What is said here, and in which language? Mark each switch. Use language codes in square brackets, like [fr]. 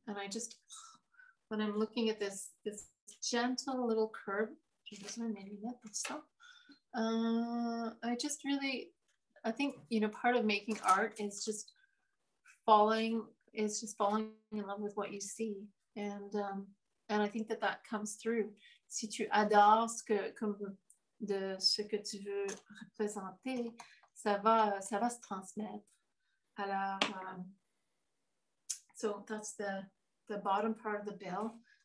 [en] And I just, when I'm looking at this gentle little curve, I think, you know, part of making art is just falling in love with what you see. And And I think that that comes through. [fr] Si tu adores ce que tu veux représenter, ça va se transmettre. Alors, [en] so that's the bottom part of the bill.